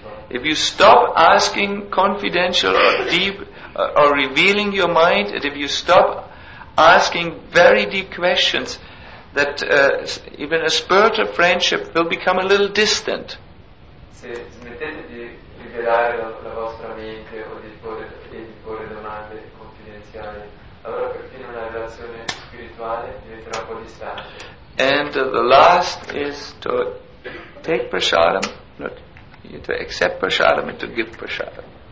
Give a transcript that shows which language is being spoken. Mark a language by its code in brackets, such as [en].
[en] If you stop asking confidential or deep or revealing your mind, and if you stop asking very deep questions, that even a spiritual friendship will become a little distant. [it] Se smettete di rivelare la vostra mente o di porre domande confidenziali, allora perfino una relazione spirituale diventerà un po' distante. [en] And the last is to take prasadam, to accept prasadam and to give prasadam.